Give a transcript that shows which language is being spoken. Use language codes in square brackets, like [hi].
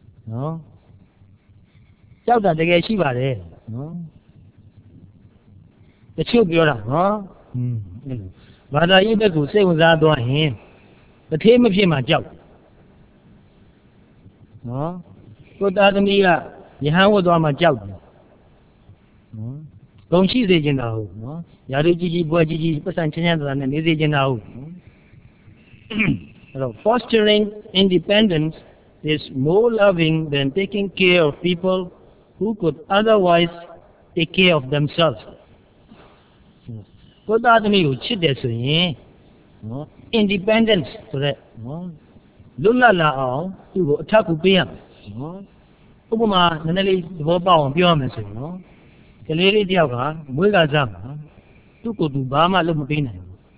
[my] နော်ကြောက်တာတကယ်ရှိပါတယ်နော်တချို့ပြောတာနော်ဘာသာရေးဘက်ကိုစိတ်ဝင်စားသွားရင်တစ်သေးမဖြစ်မှကြောက်နော်ကိုသားသမီးကယဟန်ဝတ်သွားမှကြောက်တယ်ကုန်ရှိစေချင်တာဟုတ်နော်ယာရီကြီးကြီးဘွယ်ကြီးကြီးပတ်စံချင်းချင်းသာနဲ့နေစေချင်တာဟုတ်နော်အဲ့တော့ [en] fostering independence is more loving than taking care of people who could otherwise take care of themselves [my] ကိုယ်သားသမီးကိုချစ်တယ်ဆိုရင်နော် independence ဆိုတဲ့နော်လွတ်လပ်လာအောင်သူ့ကိုအထောက်အကူပေးရမယ်နော်ဥပမာနည်းနည်းလေးသဘောပေါက်အောင်ပြောရမယ်ဆိုရင်နော်ကလေးလေးတယောက်ကမွေးကစားမှာသူ့ကိုယ်သူဘာမှလုပ်မပေးနိုင်ဘူး